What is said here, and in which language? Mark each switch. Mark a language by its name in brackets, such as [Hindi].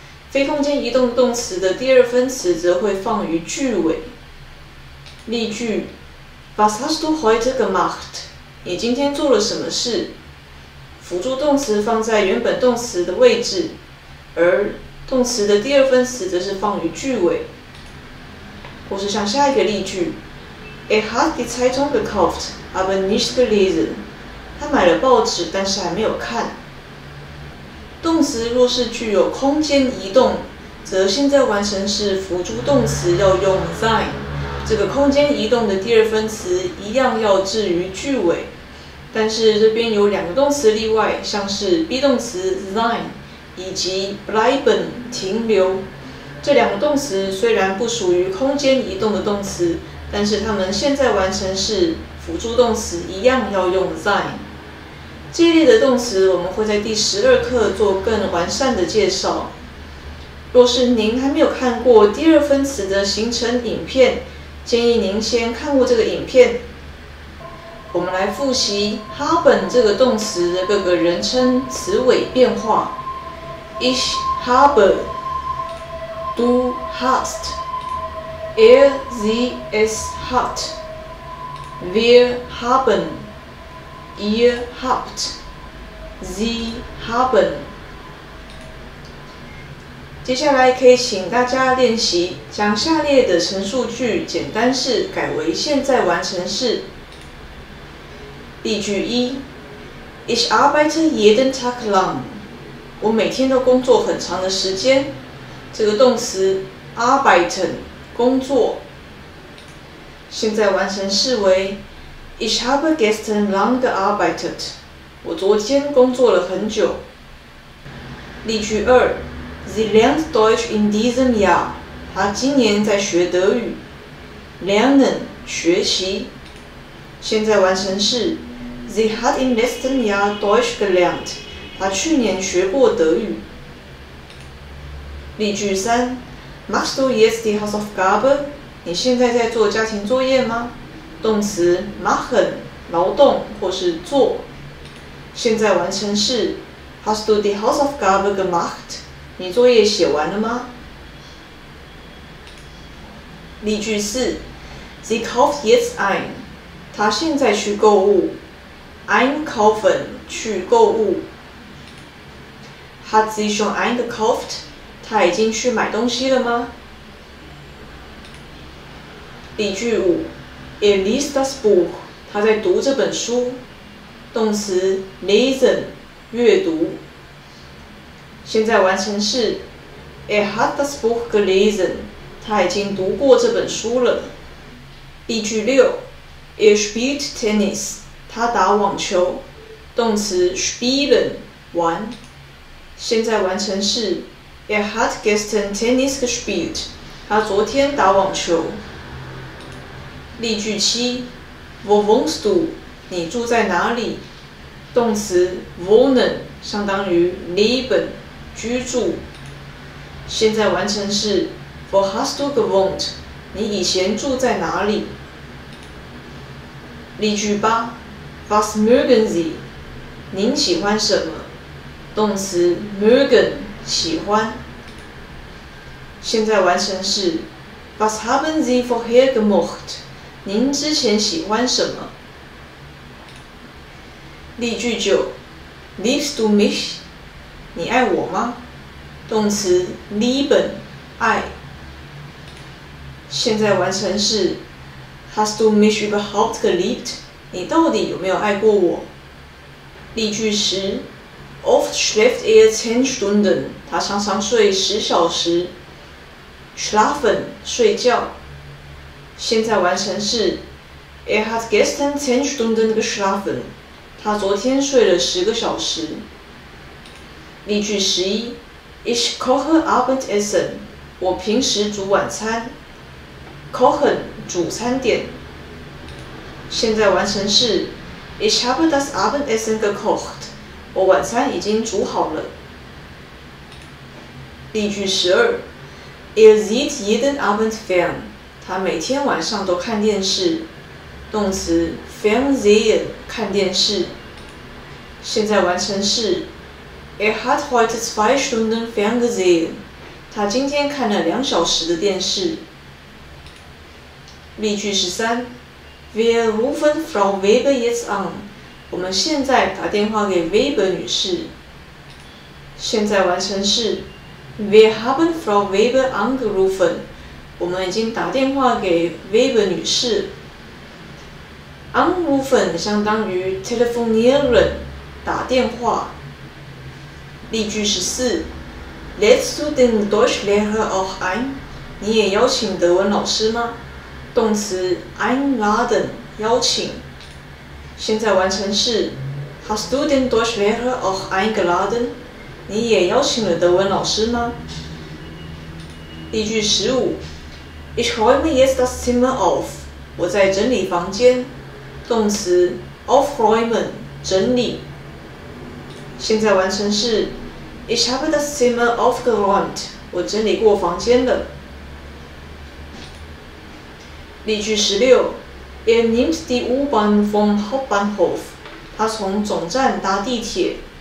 [Chinese] 非空间移动动词的第二分词则会放于句尾。例句 ： [German] Was hast du heute gemacht？ [Chinese] 你今天做了什么事？辅助动词放在原本动词的位置，而动词的第二分词则是放于句尾。或是像下一个例句 [German] ：Er hat die Zeitung gekauft, aber nicht gelesen。 [Chinese] 他买了报纸，但是还没有看。动词若是具有空间移动，则现在完成式辅助动词要用 sein。这个空间移动的第二分词一样要置于句尾，但是这边有两个动词例外，像是 be 动词 sein 以及 bleiben 停留。这两个动词虽然不属于空间移动的动词，但是它们现在完成式辅助动词一样要用 sein。这一类的动词我们会在第十二课做更完善的介绍。若是您还没有看过第二分词的形成影片，建议您先看过这个影片。我们来复习 haben 这个动词的各个人称词尾变化。 [German] Ich habe Du hast Er, sie, es hat Wir habenIr habt, sie haben。 [Chinese] 接下来可以请大家练习将下列的陈述句简单式改为现在完成式。 [German] 例句一 ：Ich arbeite jeden Tag lang。 [Chinese] 我每天都工作很长的时间。这个动词 arbeiten 工作，现在完成式为。 [German] Ich habe gestern lang gearbeitet. [Chinese] 我昨天工作了很久。 [German] 例句二 ：Sie lernt Deutsch in diesem Jahr. [Chinese] 她今年在学德语。 [German] Lernen 学习，现在完成式 ：Sie hat im letzten Jahr Deutsch gelernt. [Chinese] 她去年学过德语。 [German] 例句三 ：Machst du jetzt die Hausaufgabe? [Chinese] 你现在在做家庭作业吗？动词 machen 劳动或是做，现在完成式 [German] hast du die Hausaufgabe gemacht？ [Chinese] 你作业写完了吗？例句四 ， [German] Sie kauft jetzt ein， [Chinese] 她现在去购物 ，einkaufen 去购物。 [German] Hat sie schon eingekauft？ [Chinese] 她已经去买东西了吗？例句五。 [German] Er liest das Buch， [Chinese] 他在读这本书。动词 lesen， 阅读。现在完成式 ， [German] Er hat das Buch gelesen， [Chinese] 他已经读过这本书了。例句六 ， [German] Er spielt Tennis， [Chinese] 他打网球。动词 spielen， 玩。现在完成式 ， [German] Er hat gestern Tennis gespielt， [Chinese] 他昨天打网球。例句七 ， [German] Wo wohnst du？ [Chinese] 你住在哪里？动词 wohnen 相当于 leben 居住。 [German] 现在完成式 ，Wo hast du gewohnt？ [Chinese] 你以前住在哪里？ [German] 例句八 ，Was mögen Sie？ [Chinese] 您喜欢什么？动词 mögen 喜欢。 [German] 现在完成式 ，Was haben Sie vorher gemacht？ [Chinese] 您之前喜欢什么？ [German] 例句九 ，Liebst du mich？ [Chinese] 你爱我吗？动词 lieben， 爱。 [German] 现在完成式 ，Hast du mich überhaupt geliebt？ [Chinese] 你到底有没有爱过我？例句十 ， [German] Oft schläft er 10 Stunden， [Chinese] 他常常睡10小时。 schlafen 睡觉。现在完成式 [German] hat gestern 10 Stunden geschlafen [Chinese] 他昨天睡了10个小时。例句11 [German] Ich koche Abendessen [Chinese] 我平时煮晚餐。 Kochen 煮餐点。现在完成式 [German] Ich habe das Abendessen gekocht [Chinese] 我晚餐已经煮好了。 [German] 例句12 Er sieht jeden Abend fern [Chinese] 他每天晚上都看电视。动词 Fernsehen 看电视。现在完成式 [German] Er hat heute 2 Stunden Fernsehen [Chinese] 他今天看了2小时的电视。例句13 [German] Wir rufen Frau Weber jetzt an [Chinese] 我们现在打电话给 Weber 女士。现在完成式 [German] Wir haben Frau Weber angerufen [Chinese] 我们已经打电话给 Weber 女士。 Anrufen 相当于 telefonieren, 打电话。 [German] 例句14 Lädst du den Deutschlehrer auch ein? [Chinese] 你也邀请德文老师吗？动词 einladen, 邀请。 [German] 现在完成式 Hast du den Deutschlehrer auch eingeladen? [Chinese] 你也邀请了德文老师吗？ [German] 例句15Ich räume jetzt das Zimmer auf. [Chinese] 我在整理房间。动词 aufräumen, 整理。 [German] 现在完成式 Ich habe das Zimmer aufgeräumt. [Chinese] 我整理过房间了。 [German] 例句16 Er nimmt die U-Bahn vom Hauptbahnhof. [Chinese] 他从总站搭地铁。